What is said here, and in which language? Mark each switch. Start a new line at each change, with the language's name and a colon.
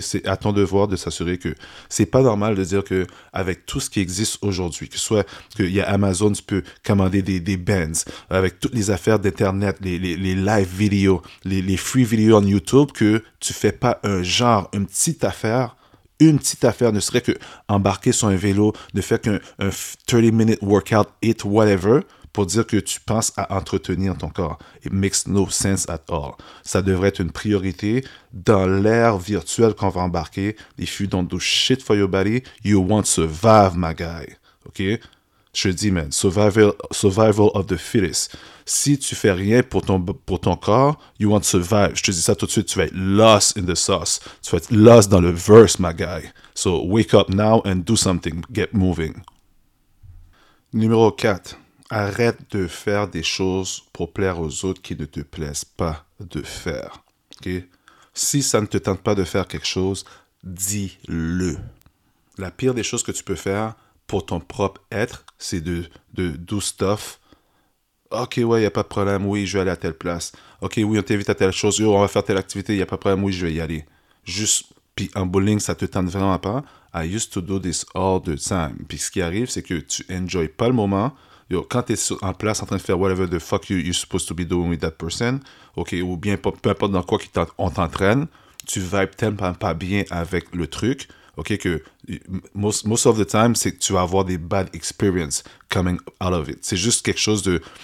French: C'est à ton devoir de s'assurer que c'est pas normal de dire que avec tout ce qui existe aujourd'hui, que soit qu'il y a Amazon, tu peux commander des bands, avec toutes les affaires d'Internet, les live vidéos, les free vidéos en YouTube, que tu fais pas un genre, une petite affaire, ne serait que embarquer sur un vélo, ne faire qu'un
English: 30-minute workout, it, whatever,
French: pour dire que tu penses à entretenir ton corps.
English: It makes no sense at all.
French: Ça devrait être une priorité dans l'ère virtuelle qu'on va embarquer.
English: If you don't do shit for your body, you won't survive, my guy. OK?
French: Je dis,
English: man, survival of the fittest.
French: Si tu fais rien pour ton corps,
English: you won't survive.
French: Je te dis ça tout de suite, tu vas être
English: lost in the sauce.
French: Tu vas être lost dans le verse,
English: my guy. So wake up now and do something. Get moving.
French: Numéro 4. Arrête de faire des choses pour plaire aux autres qui ne te plaisent pas. de faire. Okay? Si ça ne te tente pas de faire quelque chose, dis-le. La pire des choses que tu peux faire pour ton propre être, c'est de do stuff. Ok, ouais, il n'y a pas de problème. Oui, je vais aller à telle place. Ok, oui, on t'invite à telle chose. Yo, on va faire telle activité. Il n'y a pas de problème. Oui, je vais y aller. Juste, puis en bowling, ça ne te tente vraiment pas.
English: I used to do this all the time.
French: Puis ce qui arrive, c'est que tu enjoys pas le moment. Yo, quand tu es en place en train de faire
English: whatever the fuck you're supposed to be doing with that person,
French: ok, ou bien peu importe dans quoi on t'entraîne, tu vibes tellement pas bien avec le truc, ok, que
English: most of the time,
French: c'est que tu vas avoir des
English: bad experiences coming out of it.
French: C'est juste quelque chose de.